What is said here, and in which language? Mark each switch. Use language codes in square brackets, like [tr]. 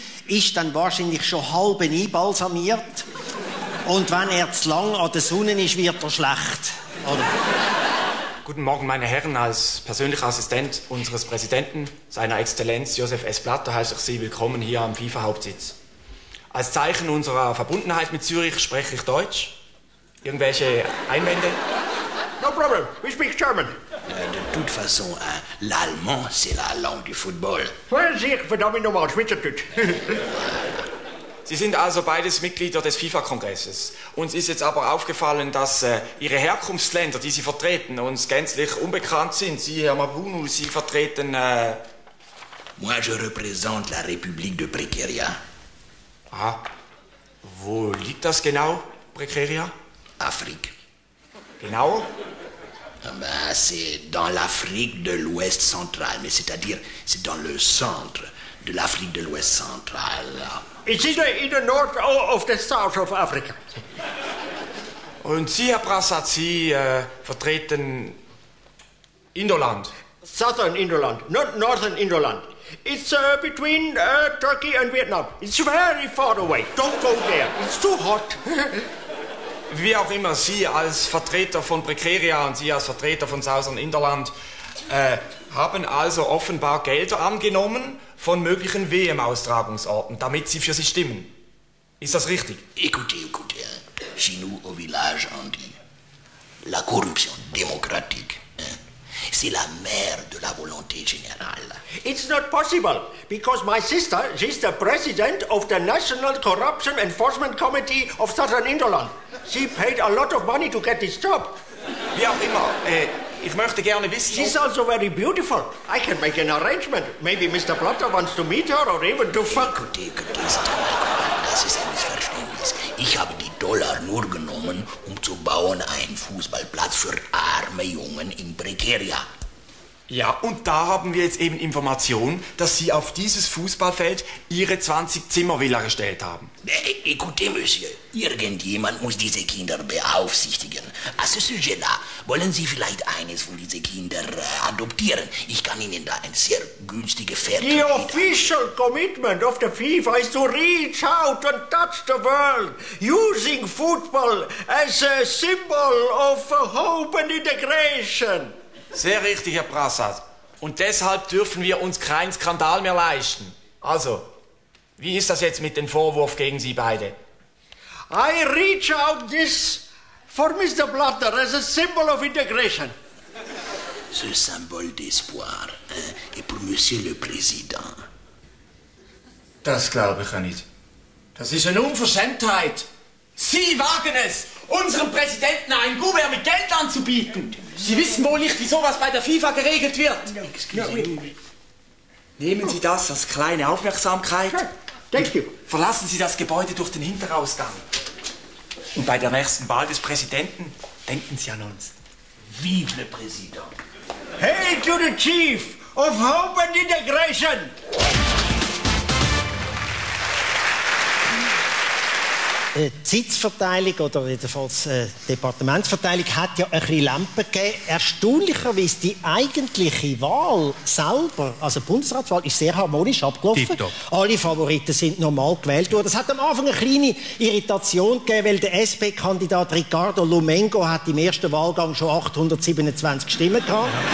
[de] Ist dann wahrscheinlich schon halb einbalsamiert. Und wenn er zu lang an der Sonne ist, wird er schlecht. Oder? Guten Morgen, meine Herren. Als persönlicher Assistent unseres Präsidenten, seiner Exzellenz Josef S. Blatter, heiße ich Sie willkommen hier am FIFA-Hauptsitz. Als Zeichen unserer Verbundenheit mit Zürich spreche ich Deutsch. Irgendwelche Einwände? [en] No problem. We speak German. [fr] De toute façon, l'allemand, c'est la langue du football. [de] Vorsicht, verdammt nochmal, Schweizerdeutsch. Sie sind also beides Mitglieder des FIFA-Kongresses. Uns ist jetzt aber aufgefallen, dass Ihre Herkunftsländer, die Sie vertreten, uns gänzlich unbekannt sind. Sie, Herr Mabunu, Sie vertreten... [fr] Moi, je représente la République de Précaria. [de] Ah, wo liegt das genau, Précaria? [fr] Afrique. [de] Genau? [fr] Ben, c'est dans l'Afrique de l'Ouest centrale, mais c'est-à-dire, c'est dans le centre de l'Afrique de l'Ouest centrale. [en] It's in the north of the south of Africa. [de] Und Sie, Herr Brassat, Sie vertreten Indoland. [en] Southern Indoland, not Northern Indoland. It's between Turkey and Vietnam. It's very far away. Don't go there. It's too hot. [de] Wie auch immer, Sie als Vertreter von Precaria und Sie als Vertreter von Southern Indoland haben also offenbar Gelder angenommen von möglichen WM-Austragungsorten, damit sie für Sie stimmen. Ist das richtig? [fr] Écoutez, écoutez. Chez nous au village, on dit la corruption démocratique. C'est la mère de la volonté générale. [en] It's not possible, because my sister, she's the president of the National Corruption Enforcement Committee of Southern Indoland. She paid a lot of money to get this job. [de] Wie auch immer, ich möchte gerne wissen... [en] She's also very beautiful. I can make an arrangement. Maybe Mr. Blatter wants to meet her or even to fuck... [de] Das ist ein Missverständnis. Ich habe die Dollar nur genommen, um zu bauen einen Fußballplatz für arme Jungen in Precaria. Ja, und da haben wir jetzt eben Information, dass Sie auf dieses Fußballfeld Ihre 20-Zimmer-Villa gestellt haben. [fr] Écoutez, Monsieur, [de] irgendjemand muss diese Kinder beaufsichtigen. [fr] À ce sujet-là, [de] wollen Sie vielleicht eines von diesen Kindern adoptieren? Ich kann Ihnen da ein sehr günstiges Vertrag... [en] The official commitment of the FIFA is to reach out and touch the world, using football as a symbol of hope and integration. [de] Sehr richtig, Herr Brassat. Und deshalb dürfen wir uns keinen Skandal mehr leisten. Also, wie ist das jetzt mit dem Vorwurf gegen Sie beide? [en] I reach out this for Mr. Blatter as a symbol of integration. [fr] Ce symbole d'espoir est pour Monsieur le Président. [de] Das glaube ich ja nicht. Das ist eine Unverschämtheit. Sie wagen es, unserem Präsidenten ein Gouvern mit Geld anzubieten. Sie wissen wohl nicht, wie sowas bei der FIFA geregelt wird. Nehmen Sie das als kleine Aufmerksamkeit. [en] Thank you. [de] Verlassen Sie das Gebäude durch den Hinterausgang. Und bei der nächsten Wahl des Präsidenten denken Sie an uns. [fr] Vive le Président. [en] Hail to the Chief of Hope and Integration. [de] Die Sitzverteilung oder jedenfalls die Departementsverteilung hat ja ein bisschen Lampen gegeben. Erstaunlicherweise die eigentliche Wahl selber, also die Bundesratswahl, ist sehr harmonisch abgelaufen. Tipptopp. Alle Favoriten sind normal gewählt worden. Es hat am Anfang eine kleine Irritation gegeben, weil der SP-Kandidat Ricardo Lumengo hat im ersten Wahlgang schon 827 Stimmen gehabt.